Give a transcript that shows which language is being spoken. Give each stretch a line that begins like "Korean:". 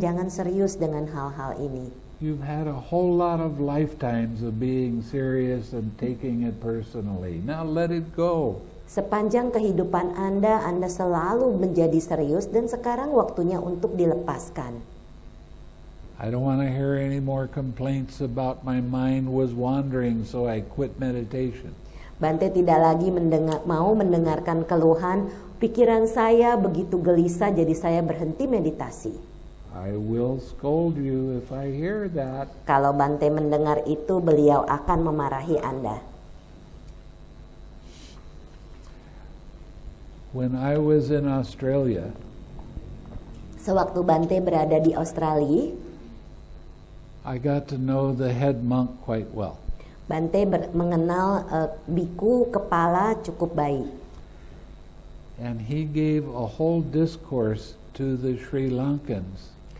Indonesian: Jangan serius dengan hal-hal ini.
English: You've had a whole lot of lifetimes of being serious and taking it personally. Now let it go.
Indonesian: Sepanjang kehidupan Anda, Anda selalu menjadi serius dan sekarang waktunya untuk dilepaskan.
English: I don't want to hear any more complaints about my mind was wandering, so I quit meditation.
Indonesian: Bante tidak lagi mendengarkan keluhan, pikiran saya begitu gelisah jadi saya berhenti meditasi.
English: I will scold you if I hear that.
Indonesian: Kalau Bante mendengar itu, beliau akan memarahi Anda.
English: When I was in Australia,
Indonesian: sewaktu Bante berada di Australia,
English: I got to know the head monk quite well.
Indonesian: Bante mengenal bhikkhu kepala cukup baik.
English: And he gave a whole discourse to the Sri Lankans.